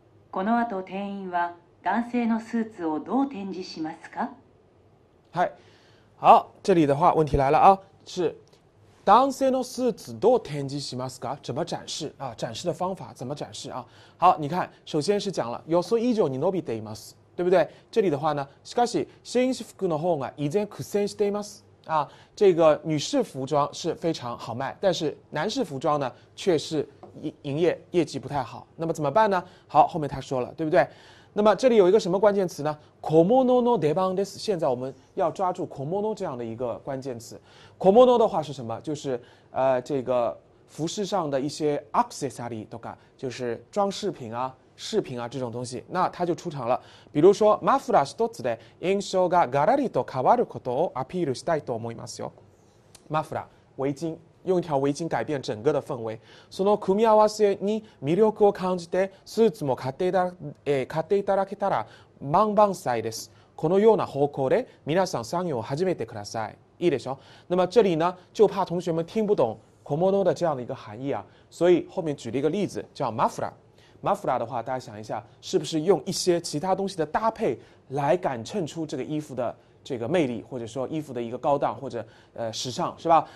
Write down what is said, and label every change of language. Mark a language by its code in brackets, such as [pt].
[ja] この後店員は男性のスーツをどう展示しますか？ [zh] はい、好、这里的话问题来了啊，是 [ja] 男性のスーツどう展示しますか？ [zh] 怎么展示啊？展示的方法怎么展示啊？好，你看，首先是讲了 [ja] 予想以上に伸びています， [zh] 对不对？这里的话呢， [ja] しかし紳士服の方が依然苦戦しています [zh] 啊，这个女士服装是非常好卖，但是男士服装呢却是业绩不太好。那么怎么办呢？好，后面他说了，对不对？那么这里有一个什么关键词呢？ [ja] 小物の出番です。 [zh] 现在我们要抓住小物这样的一个关键词。小物的话是什么？就是这个服饰上的一些 [en] accessory [zh] とか，就是装饰品啊、饰品啊这种东西。那它就出场了。 [ja] 比如说マフラー一つで印象がガラリと変わることをアピールしたいと思いますよ。 [zh] マフラー围巾。用一条围巾改变整个的氛围。 [ja] その組み合わせに魅力を感じてスーツも買っていただけたら万々歳です。このような方向で皆さん [zh] 参与 [ja] を始めてください。いいでしょ？ [zh] 那么这里呢，就怕同学们听不懂小物的这样的一个含义啊，所以后面举了一个例子，叫マフラー。マフラー的话，大家想一下，是不是用一些其他东西的搭配来感衬出这个衣服的这个魅力，或者说衣服的一个高档或者时尚，是吧？